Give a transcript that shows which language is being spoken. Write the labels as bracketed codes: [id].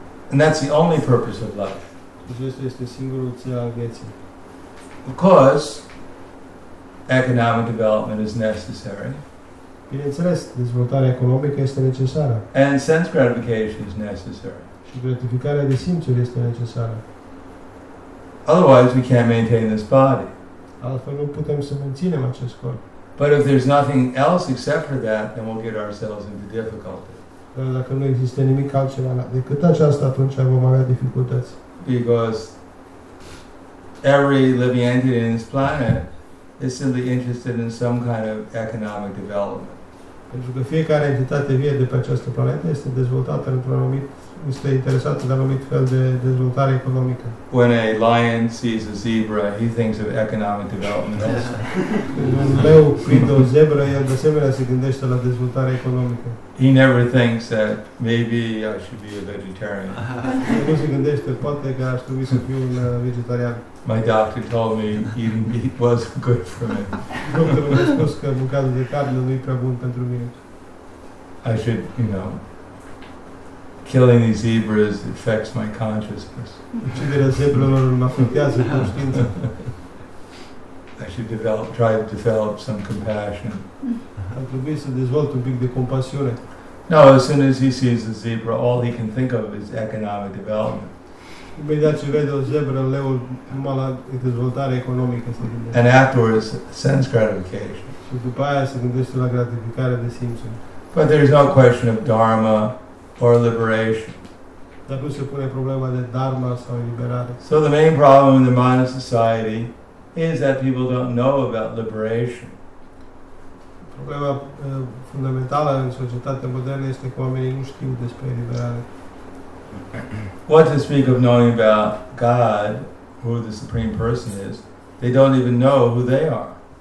[en] And that's the only purpose of life. [ro] Acesta este singurul țel al vieții. [en] Of course, economic development is necessary. [ro] Bineînțeles, dezvoltarea economică este necesară. [en] And sense gratification is necessary. [ro] Și gratificarea de simțuri este necesară. [en] Otherwise, we can't maintain this body. [ro] Altfel nu putem să menținem acest corp. [en] But if there's nothing else except for that, then we'll get ourselves into difficulty. [ro] Dar dacă nu există nimic altceva decât aceasta, atunci vom avea dificultăți. [en] Because every living entity in this planet is simply interested in some kind of economic development. [ro] Pentru că fiecare entitate vie de pe această planetă este dezvoltată într-un anumit, este interesată de anumit fel de dezvoltare economică. [en] When a lion sees a zebra, he thinks of economic development also. [ro] Când un leu prinde o zebră, el de asemenea se gândește la dezvoltare economică. [en] He never thinks that maybe I should be a vegetarian. [ro] Nu se gândește, poate că aș trebui să fiu un vegetarian. [en] My doctor told me eating meat was good for me. [ro] Doctorul mi-a spus că mâncarea de carne nu e prea bun pentru mine. [en] I should, you know, killing these zebras affects my consciousness. [ro] Uciderea zebrelor mă afectează conștiința. [en] I should try to develop some compassion. [ro] Ar trebui să dezvolt un pic de compasiune. [en] No, as soon as he sees a zebra, all he can think of is economic development. [ro] Imediat ce vede o zebră, leul numai la dezvoltare economică se gândește. [en] And afterwards, sense gratification. [ro] Și după aia se gândește la gratificare de simțuri. [en] But there is no question of dharma or liberation. [ro] Dar nu se pune problema de dharma sau eliberare. [en] So the main problem in the modern society is that people don't know about liberation. [ro] Problema fundamentală în societatea modernă este că oamenii nu știu despre eliberare. [en] What to speak of knowing about God, who the Supreme Person is, they don't even know who they are.